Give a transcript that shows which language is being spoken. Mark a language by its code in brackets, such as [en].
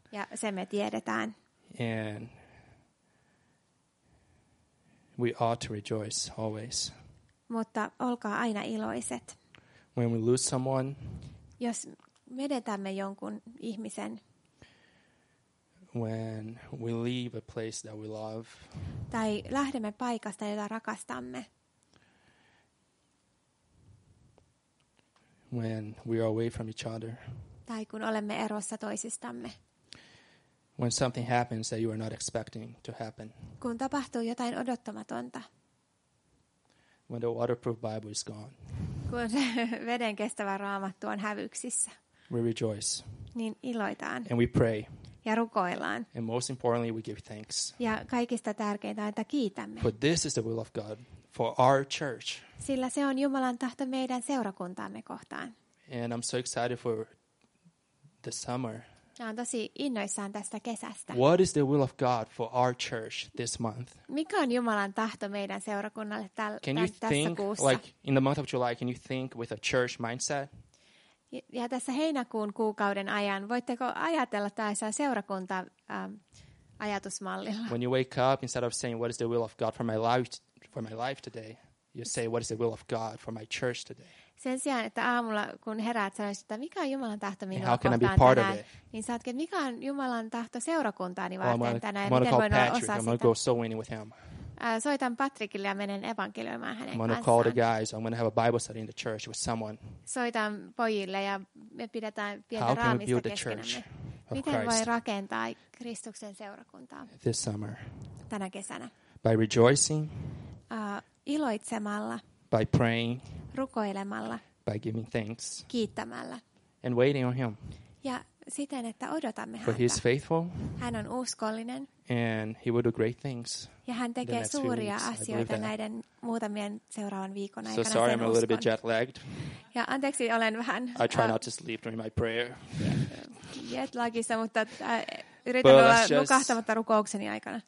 [fi] Ja se me tiedetään. [en] And we ought to rejoice always. [fi] Mutta olkaa aina iloiset. [en] When we lose someone. [fi] Jos menetämme jonkun ihmisen. [en] When we leave a place that we love. [fi] Tai lähdemme paikasta, jota rakastamme. [en] When we are away from each other. [fi] Tai kun olemme erossa toisistamme. [en] When something happens that you are not expecting to happen. [fi] Kun tapahtuu jotain odottamatonta. [en] When the waterproof Bible is gone. [fi] Kun veden kestävä raamattu on hävyksissä. [en] We rejoice. [fi] Niin iloitaan. [en] And we pray. [fi] Ja rukoillaan. [en] And most importantly we give thanks. [fi] Ja kaikista tärkeintä on, että kiitämme. [en] For this is the will of God for our church. [fi] Sillä se on Jumalan tahto meidän seurakuntaamme kohtaan. [en] And I'm so excited for the summer. [fi] Mä oon tosi innoissaan tästä kesästä. [en] What is the will of God for our church this month? [fi] Mikä on Jumalan tahto meidän seurakunnalle tässä kuussa? [en] Like in the month of July, can you think with a church mindset? [fi] Ja tässä heinäkuun kuukauden ajan, voitteko ajatella tässä seurakunta ajatusmallilla? [en] When you wake up, instead of saying what is the will of God for my life today, you say what is the will of God for my church today. [fi] Sen sijaan, että aamulla, kun heräät, sanoisit, että mikä on Jumalan tahto minua kohtaan tänään, niin saatkin, että mikä on Jumalan tahto seurakuntaani varten tänään, ja miten voin olla osa [en] I'm [fi] sitä. [en] Go so winning with him. [fi] Soitan Patrikille ja menen evankelioimaan hänen [en] I'm [fi] kanssaan. [en] Call the guys. I'm have a Bible study in the church with someone. [fi] Soitan pojille ja me pidetään pientä raamista keskenämme. Miten voi rakentaa Kristuksen seurakuntaa [en] this summer. [fi] Tänä kesänä? [en] By rejoicing. [fi] Iloitsemalla. [en] By praying. [fi] Rukoilemalla. [en] By giving thanks. [fi] Kiittämällä. [en] And waiting on him. [fi] Ja siten, että odotamme häntä. [en] But he's faithful. [fi] Hän on uskollinen. [en] And he will do great things. [fi] Ja hän tekee suuria asioita näiden muutamien seuraavan viikon aikana. [en] So sorry, I'm a little bit jet-lagged. [fi] Ja anteeksi, olen vähän. [en] I try not to sleep during my prayer. [fi] Jet-lagissa, mutta yritän olla nukahtamatta rukoukseni aikana.